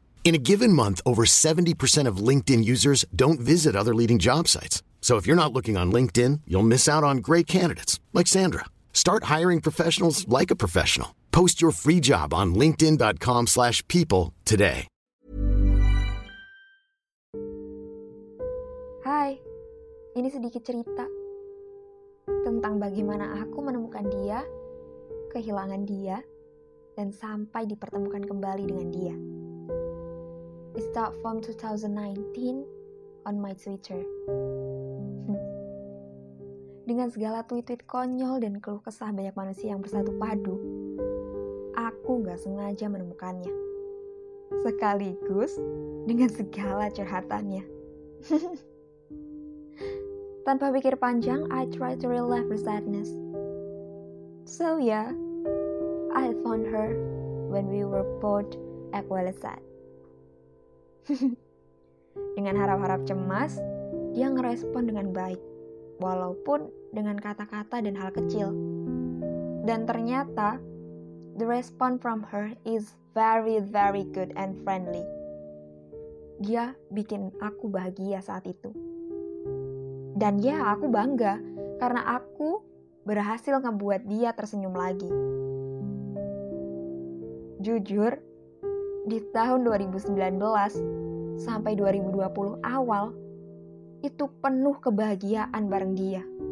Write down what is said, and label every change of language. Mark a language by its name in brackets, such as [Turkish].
[English] In a given month, over 70% of LinkedIn users don't visit other leading job sites. So if you're not looking on LinkedIn, you'll miss out on great candidates, like Sandra. Start hiring professionals like a professional. Post your free job on linkedin.com/people today. [Indonesian] Hai, ini sedikit cerita tentang bagaimana aku menemukan dia, kehilangan dia, dan sampai dipertemukan kembali dengan dia. [English] It start from 2019 on my Twitter. [Indonesian] Dengan segala tweet-tweet konyol dan keluh kesah banyak manusia yang bersatu padu, aku gak sengaja menemukannya. Sekaligus dengan segala curhatannya. Tanpa pikir panjang, [English] I try to relieve her sadness. So yeah, I found her when we were both equally sad. [Indonesian] Dengan harap-harap cemas, dia ngerespon dengan baik, walaupun dengan kata-kata dan hal kecil. Dan ternyata, [English] the response from her is very, very good and friendly. [Indonesian] Dia bikin aku bahagia saat itu. Dan ya, aku bangga karena aku berhasil ngebuat dia tersenyum lagi. Jujur, di tahun 2019 sampai 2020 awal, itu penuh kebahagiaan bareng dia.